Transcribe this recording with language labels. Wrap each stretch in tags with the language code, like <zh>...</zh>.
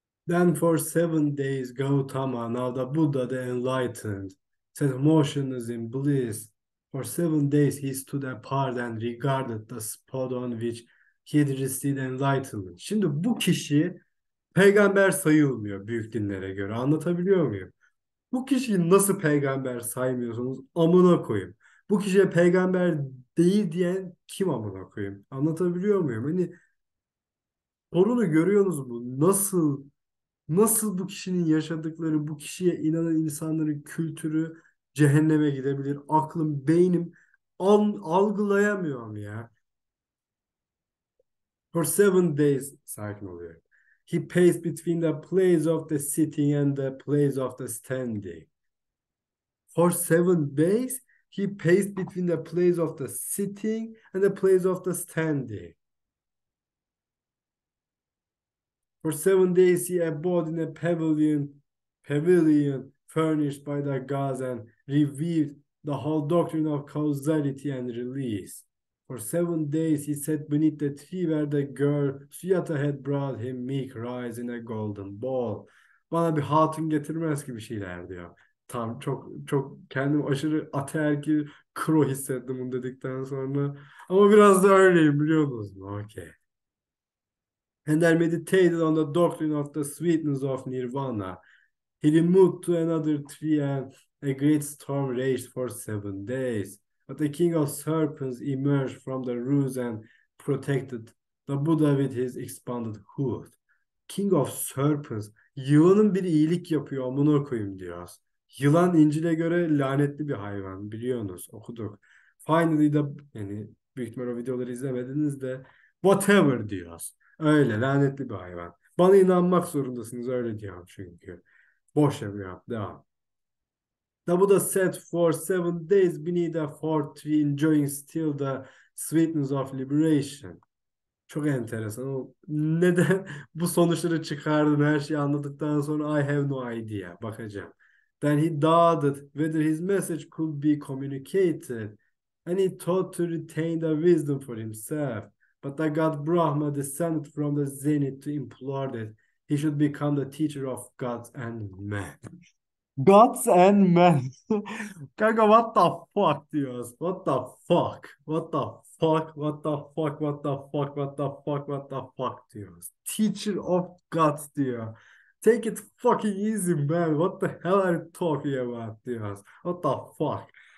<en>Then for 7 days Gautama, now the Buddha, the enlightened, said motionless in bliss. For 7 days he stood apart and regarded the spot on which he had received enlightenment.</en> <tr>Şimdi bu kişi peygamber sayılmıyor büyük dinlere göre. Anlatabiliyor muyum? Bu kişiyi nasıl peygamber saymıyorsunuz? Amına koyayım. Bu kişiye peygamber değil diyen kim amına koyayım? Anlatabiliyor muyum? Hani sorunu görüyor musunuz? Nasıl bu kişinin yaşadıkları, bu kişiye inanan insanların kültürü cehenneme gidebilir? Aklım, beynim algılayamıyorum ya.</tr> <en>For 7 days,</en> <tr>sakin oluyor.</tr> <en>He paced between the place of the sitting and the place of the standing. For 7 days, he paced between the place of the sitting and the place of the standing. For 7 days he abode in a pavilion furnished by the gods and revealed the whole doctrine of causality and release. For 7 days he sat beneath the tree where the girl Suyata had brought him milk rice in a golden bowl.</en> <tr>Bana bir hatun getirmez ki bir şeyler diyor. Tam çok çok kendimi aşırı ataerkil kro hissettim bunu dedikten sonra. Ama biraz da öyleyim biliyor musunuz?</tr> <en>Okay. And then meditated on the doctrine of the sweetness of Nirvana. He removed to another tree and a great storm raged for 7 days. But the king of serpents emerged from the roots and protected the Buddha with his expanded hood. King of serpents,</en> <tr>yılanın biri iyilik yapıyor, amına koyayım diyoruz. Yılan İncil'e göre lanetli bir hayvan, biliyorsunuz, okuduk.</tr> <en>Finally the,</en> <tr>yani büyük ihtimalle videoları izlemediniz de,</tr> <en>whatever</en> <tr>diyoruz. Öyle lanetli bir hayvan. Bana inanmak zorundasınız öyle diyorum çünkü. Boş yapıyor. Devam.</tr> <en>The Buddha sat for 7 days beneath a fort tree enjoying still the sweetness of liberation.</en> <tr>Çok enteresan. Neden bu sonuçları çıkardın her şeyi anladıktan sonra</tr> <en>I have no idea.</en> <tr>Bakacağım.</tr> <en>Then he doubted whether his message could be communicated and he thought to retain the wisdom for himself. But the god Brahma descended from the zenith to implore that he should become the teacher of gods and men. Gods and men.</en> <tr>Kanka</tr> <en>what the fuck</en> <tr>diyoruz?</tr> <en>What the fuck? What the fuck? What the fuck? What the fuck? What the fuck? What the fuck</en> <tr>diyoruz?</tr> <en>Teacher of gods</en> <tr>diyor.</tr> <en>Take it fucking easy man. What the hell are you talking about</en> <tr>diyoruz?</tr> <en>What the fuck?</en>